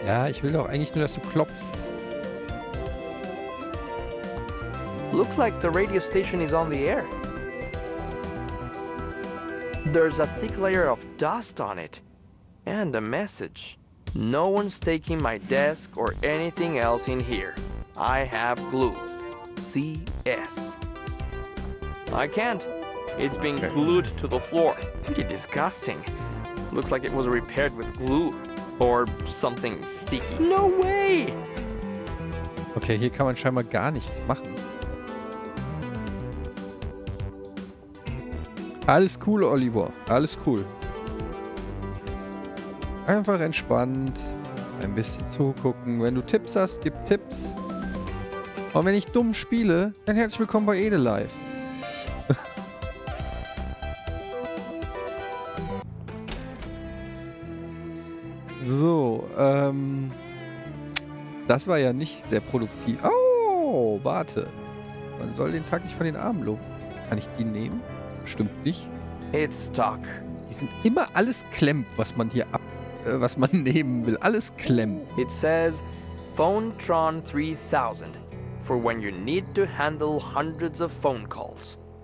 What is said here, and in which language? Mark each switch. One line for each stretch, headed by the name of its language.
German: Ja, ich will doch eigentlich nur, dass du klopfst.
English: Looks like the radio station is on the air. There's a thick layer of dust on it. And a message. No one's taking my desk or anything else in here. I have glue. C.S. I can't. It's been glued to the floor. Pretty disgusting. Looks like it was repaired with glue or something sticky. No way!
German: Okay, hier kann man scheinbar gar nichts machen. Alles cool, Oliver. Alles cool. Einfach entspannt. Ein bisschen zugucken. Wenn du Tipps hast, gib Tipps. Und wenn ich dumm spiele, dann herzlich willkommen bei Edelife. So, das war ja nicht sehr produktiv. Oh, warte. Man soll den Tag nicht von den Armen loben. Kann ich die nehmen? Stimmt nicht.
English: It's stuck.
German: Die sind immer alles klemmt, was man hier ab... was man nehmen will. Alles klemmt.
English: It says, phone tron 3000, for when you need to handle hundreds of phone calls.